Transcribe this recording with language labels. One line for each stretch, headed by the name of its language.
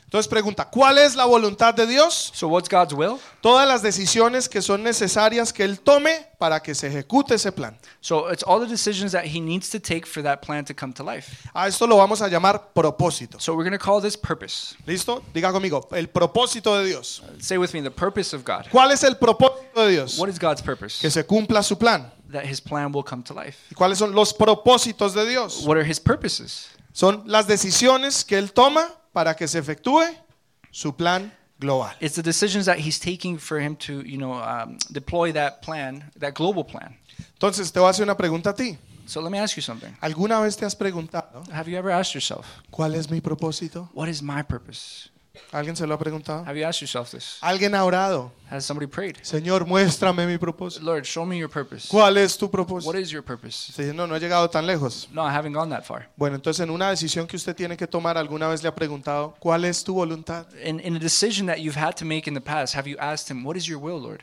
Spanish: Entonces pregunta, ¿cuál es la voluntad de Dios?
English: So what's God's will?
Spanish: Todas las decisiones que son necesarias que él tome para que se ejecute ese plan.
English: So it's all the decisions that he needs to take for that plan to come to life.
Spanish: A esto lo vamos a llamar propósito.
English: So we're going to call this purpose.
Spanish: ¿Listo? Diga conmigo, el propósito de Dios.
English: Say with me, the purpose of God.
Spanish: ¿Cuál es el propósito de Dios?
English: What is God's purpose?
Spanish: Que se cumpla su plan.
English: That his plan will come to life.
Spanish: ¿Y cuáles son los propósitos de Dios?
English: What are his purposes?
Spanish: Son las decisiones que él toma para que se efectúe su plan global.
English: It's the decisions that he's taking for him to, you know, deploy that plan, that global plan.
Spanish: Entonces, te voy a hacer una pregunta a ti.
English: So let me ask you something.
Spanish: ¿Alguna vez te has preguntado?
English: Have you ever asked yourself?
Spanish: ¿Cuál es mi propósito?
English: What is my purpose?
Spanish: ¿Alguien se lo ha preguntado?
English: Have you asked yourself this?
Spanish: ¿Alguien ha orado?
English: Has somebody prayed?
Spanish: Señor, muéstrame mi propósito.
English: Lord, show me your purpose.
Spanish: ¿Cuál es tu propósito?
English: What is your purpose?
Spanish: Sí, no, no he llegado tan lejos.
English: No, I haven't gone that far.
Spanish: Bueno, entonces en una decisión que usted tiene que tomar, ¿alguna vez le ha preguntado cuál es tu voluntad?
English: In a decision that you've had to make in the past, have you asked him, what is your will, Lord?